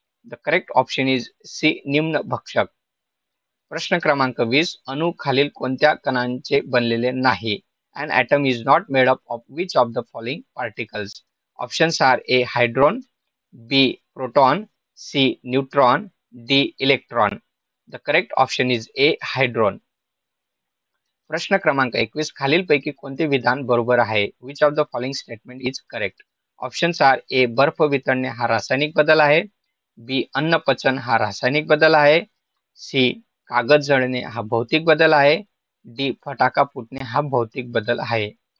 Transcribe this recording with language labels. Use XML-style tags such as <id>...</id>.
<en>The correct option is C निम्न भक्षक.</en> <mr>प्रश्न क्रमांक 20, अणू खालील कोणत्या कणांचे बनलेले नाही?</mr> <en>An atom is not made up of which of the following particles? Options are A hydron, B proton, C neutron, D electron. The correct option is A hydron.</en> <mr>प्रश्न क्रमांक 21, खालील पैकी कोणते विधान बरोबर आहे?</mr> <en>Which of the following statement is correct? Options are</en> <mr>A बर्फ वितळणे हा रासायनिक बदल आहे, बी अन्नपचन हा रासायनिक बदल आहे, सी कागद जळणे हा भौतिक बदल आहे, डी फटाका फुटणे हा भौतिक बदल आहे.</mr>